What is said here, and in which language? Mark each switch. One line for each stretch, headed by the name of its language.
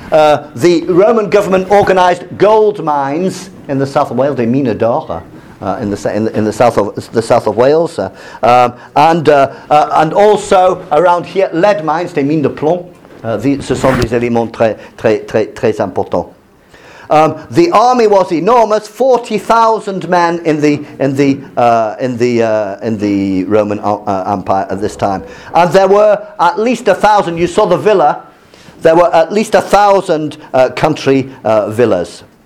English: The Roman government organized gold mines in the south of Wales, the Mina d'Or. In the south of Wales, and also around here, lead mines, the Mina de Plomb.
French: Ce sont des éléments très, très, très, très importants.
English: The army was enormous, 40,000 men in the Roman Empire at this time, and there were at least 1,000. You saw the villa. There were at least 1,000 country villas.